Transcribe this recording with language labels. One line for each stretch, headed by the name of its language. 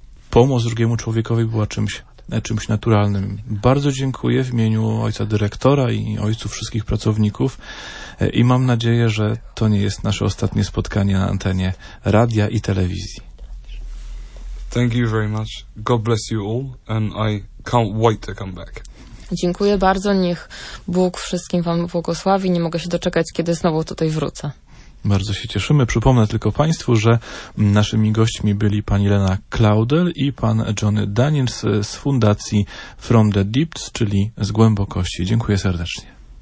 Polish: Pomoc drugiemu człowiekowi była czymś naturalnym. Bardzo dziękuję w imieniu ojca dyrektora i ojców wszystkich pracowników i mam nadzieję, że to nie jest nasze ostatnie spotkanie na antenie radia i telewizji.
English: Thank you very much. God bless you all and I can't wait to come back.
Polish: Dziękuję bardzo. Niech Bóg wszystkim wam błogosławi. Nie mogę się doczekać, kiedy znowu tutaj wrócę. Bardzo się cieszymy. Przypomnę tylko państwu, że naszymi gośćmi byli pani Lena Klaudel i pan Johnny Daniels z fundacji From the Depths, czyli z głębokości. Dziękuję serdecznie.